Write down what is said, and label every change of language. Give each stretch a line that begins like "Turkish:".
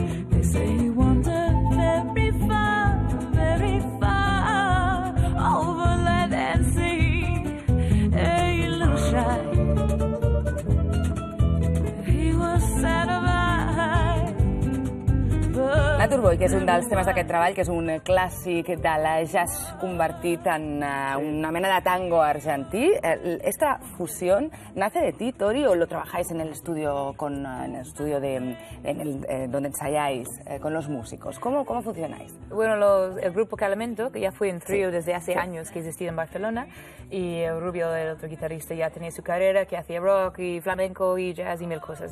English: They say he wandered very far, very far, over land and sea. A little shy, he was sad of eye.
Catalan: Nature Boy, que és un dels temes d'aquest treball, que és un clàssic de la jazz convertit en una mena de tango argentí.
Spanish: ¿Esta fusión nace de ti, Tori, o lo trabajáis en el estudio, donde ensayáis con los músicos? ¿Cómo funcionáis? Bueno, el grupo Calamento, que ya fue en trío desde hace años, que existía en Barcelona, y Rubio, el otro guitarrista, ya tenía su carrera, que hacía rock y flamenco y jazz y mil cosas.